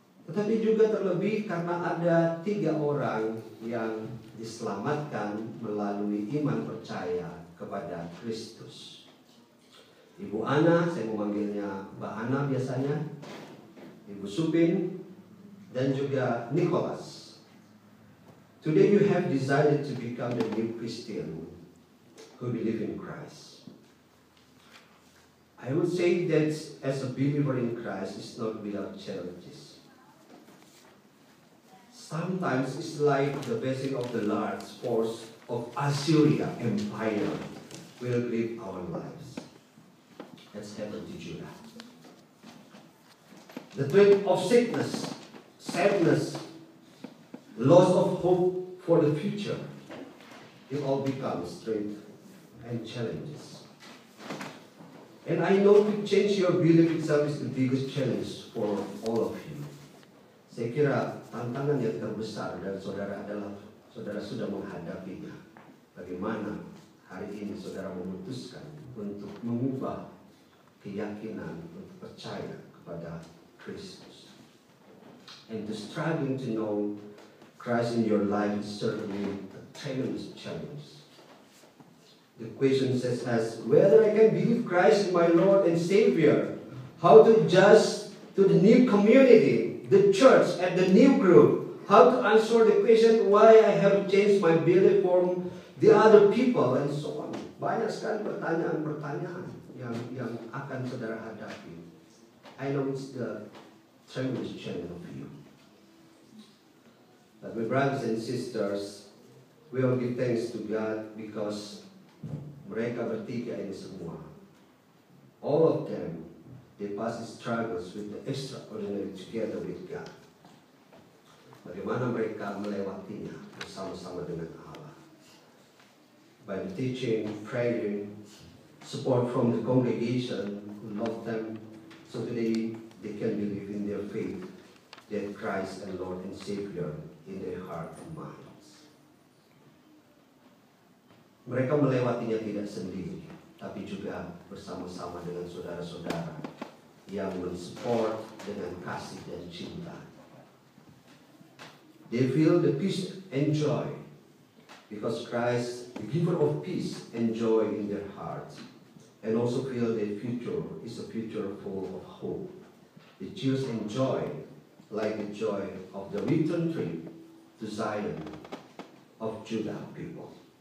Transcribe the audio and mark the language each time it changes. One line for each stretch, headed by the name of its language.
Indonesian: Tetapi juga terlebih karena ada tiga orang yang diselamatkan melalui iman percaya kepada Kristus. Ibu Ana, saya memanggilnya Mbak Ana biasanya, Ibu Supin, dan juga Nicholas.
English: Today you have decided to become the new Christian who believe in Christ. I would say that as a believer in Christ, it's not without challenges. Sometimes it's like the basic of the large force of Assyria Empire will grip our lives. That's happened to Judah. The threat of sickness, sadness, loss of hope for the future, it all becomes strength and challenges. And I know to change your belief itself is the biggest challenge for all of you.
Indonesian: Saya kira tantangan yang terbesar dan saudara adalah saudara sudah menghadapinya. Bagaimana hari ini saudara memutuskan untuk mengubah keyakinan, untuk percaya kepada Kristus.
English: And the striving to know Christ in your life is certainly a tremendous challenge. The question says as whether I can believe Christ in my Lord and Savior, how to adjust to the new community, the church, and the new group, how to answer the question why I have changed my belief from the other people, and so on.
Indonesian: Banyak sekali pertanyaan-pertanyaan yang akan saudara hadapi.
English: I know it's the tremendous challenge of you. But my brothers and sisters, we all give thanks to God because
Indonesian: mereka bertiga ini semua,
English: all of them, they pass the struggles with the extraordinary together with God.
Indonesian: Bagaimana mereka melewatinya bersama-sama dengan Allah?
English: By the teaching, praying, support from the congregation who love them, so today they can believe in their faith that Christ and Lord and Savior in their heart and minds.
Indonesian: Mereka melewatinya tidak sendiri, tapi juga bersama-sama dengan saudara-saudara yang mensupport dengan kasih dan cinta.
English: They feel the peace and joy because Christ, the giver of peace and joy in their hearts, and also feel their future is a future full of hope. The tears and joy, like the joy of the return trip to Zion of Judah people.